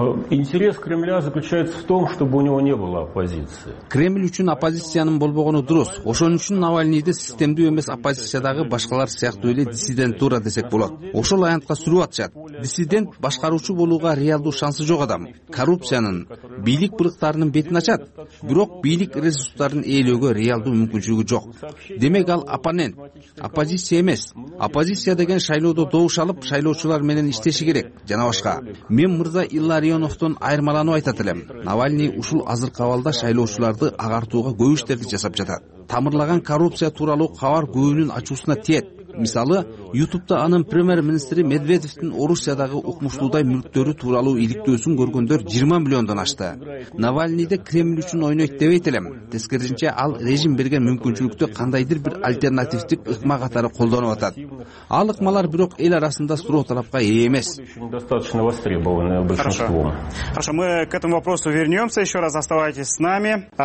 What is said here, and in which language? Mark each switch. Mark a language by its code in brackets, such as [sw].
[ru] Интерес Кремля заключается в том, чтобы у него не было оппозиции. [ky] Кремль үчүн оппозициянын болбогону дурус. Ошон үчүн Навальныйды системдүү эмес оппозициядагы башкалар сыяктуу эле диссидентура десек болот. Ошол аянтка сүрүп атышат. Диссидент башкаруучу болууга реалдуу шансы жок адам. Коррупциянын, бийлик бырыктарынын бетин ачат. Бирок бийлик ресурстарын ээлөөгө реалдуу мүмкүнчүлүгү жок. Демек ал оппонент, оппозиция эмес. Оппозиция деген шайлоодо добуш алып, шайлоочулар менен иштеши керек жана башка. Мен Мырза Илларионовдон айырмаланып айтат элем. Навальный ушул азыркы абалда шайлоочуларды агартууга көп иштерди жасап жатат. Тамырлаган коррупция тууралуу кабар күйүнүн ачуусуна тиет. Мисалы, YouTube'da анын премьер-министри Медведевдин Орусиядагы укмуштуудай мүлктөрү тууралуу иликтөөсүн көргөндөр 20 миллиондон ашты. Навальныйды Кремль үчүн ойнойт деп айтат элем. Тескерисинче ал режим берген мүмкүнчүлүктү кандайдыр бир альтернативдик ыкма катары колдонуп атат. Ал ыкмалар бирок эл арасында суроо талапка ээ эмес. [ru] Достаточно востребованы большинством. Хорошо, мы к этому вопросу вернемся. Еще раз оставайтесь с нами.